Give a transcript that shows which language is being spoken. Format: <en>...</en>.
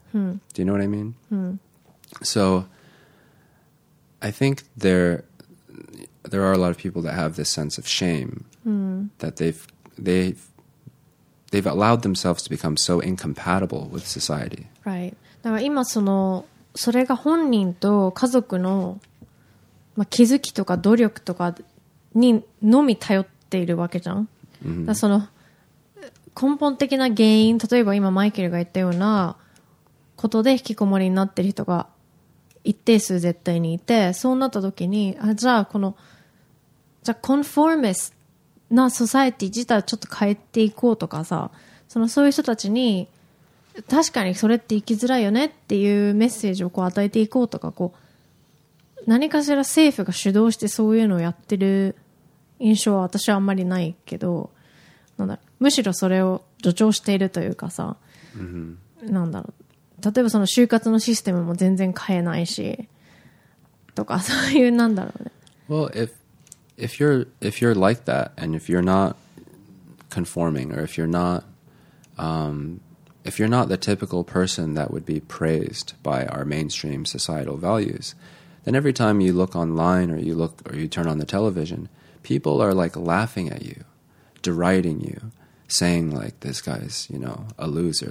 <en>Do you know what I mean? So I think there are a lot of people that have this sense of shame that they've allowed themselves to become so incompatible with society. Right.</en> <ja>だから今そのそれが本人と家族の、まあ、気づきとか努力とかにのみ頼っているわけじゃん。 Mm-hmm. だその根本的な原因、例えば今マイケルが言ったようなことで引きこもりになっている人が一定数絶対にいて、そうなった時に、あ、じゃあこの、じゃあコンフォーミスなソサエティ自体ちょっと変えていこうとかさ、そのそういう人たちに確かにそれって生きづらいよねっていうメッセージをこう与えていこうとか、こう何かしら政府が主導してそういうのをやってる印象は私はあんまりないけど、なんだろう、むしろそれを助長しているというかさ、 mm-hmm. なんだろう、例えばその就活のシステムも全然変えないしとか、そういう、なんだろうね。</ja> <en>Well, if you're like that, and if you're not conforming, or if you're not the typical person that would be praised by our mainstream societal values, then every time you look online or you turn on the television, people are like laughing at you, deriding you, saying like, this guy's, you know, a loser.</en>